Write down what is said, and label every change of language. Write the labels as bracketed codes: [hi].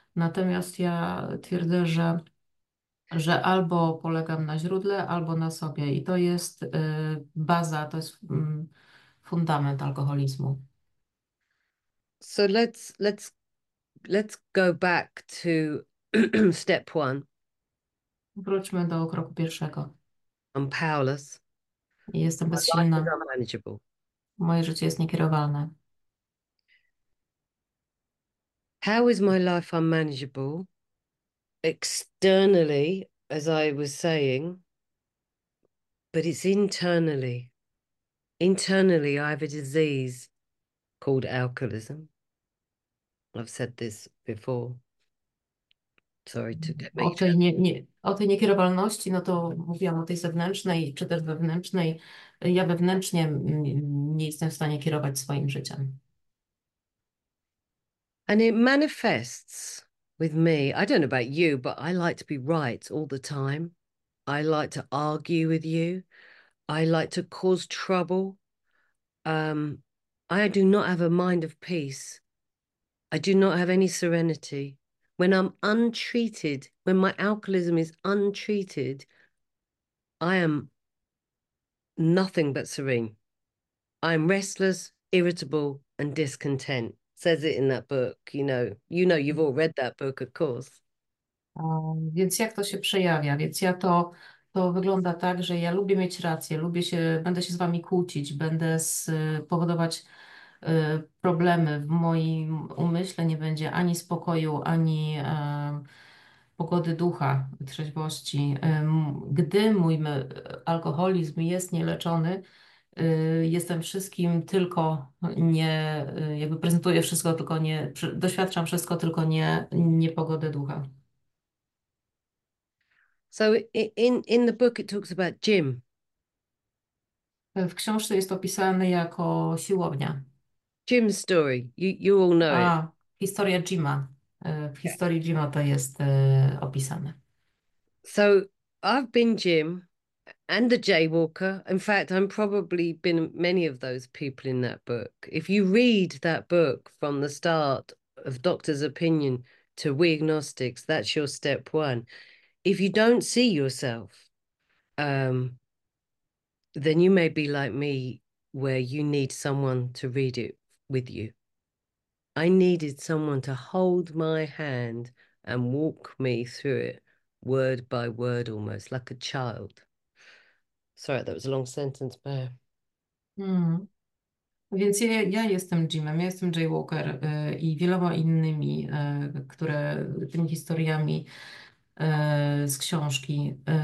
[pl] Natomiast ja twierdzę, że albo polegam na źródle, albo na sobie. I to jest baza, to jest fundament alkoholizmu. [en] So let's go back to step one. [pl] Wróćmy do kroku pierwszego. [en] I'm powerless. [pl] Jestem [en] My life is [pl] bezsilna. [en] unmanageable. [pl] Moje życie jest niekierowalne. [en] How is my life unmanageable? Externally, as I was saying, but it's internally. Internally, I have a disease called alcoholism. I've said this before. Sorry to get [pl] O [en] major. [pl] tej niekierowalności, no to mówiłam o tej zewnętrznej czy też wewnętrznej. Ja wewnętrznie nie jestem w stanie kierować swoim życiem. [en] And it manifests with me. I don't know about you, but I like to be right all the time. I like to argue with you. I like to cause trouble. I do not have a mind of peace. I do not have any serenity. When I'm untreated, when my alcoholism is untreated, I am nothing but serene. I'm restless, irritable, and discontent. Says it in that book, you've all read that book, of course. [pl] Więc jak to się przejawia? Więc ja to wygląda tak, że ja lubię mieć rację, będę się z wami kłócić, powodować problemy w moim umyśle, nie będzie ani spokoju, ani pogody ducha, trzeźwości. Gdy mój alkoholizm jest nieleczony, jestem wszystkim tylko nie, jakby prezentuję wszystko, tylko nie, doświadczam wszystko, tylko nie pogodę ducha. [en] So in the book it talks about gym. [pl] W książce jest opisane jako siłownia. [en] Gym story, you all know it. [pl] A, historia Jima. W historii Jima to jest opisane. [en] So I've been Jim and the jaywalker. In fact, I'm probably been many of those people in that book. If you read that book from the start of Doctor's Opinion to We Agnostics, that's your step one. If you don't see yourself, then you may be like me, where you need someone to read it with you. I needed someone to hold my hand and walk me through it, word by word, almost like a child. Sorry, that was a long sentence, but. [pl] Więc ja jestem Jimem, ja jestem Jay Walker i wieloma innymi, tymi historiami z książki.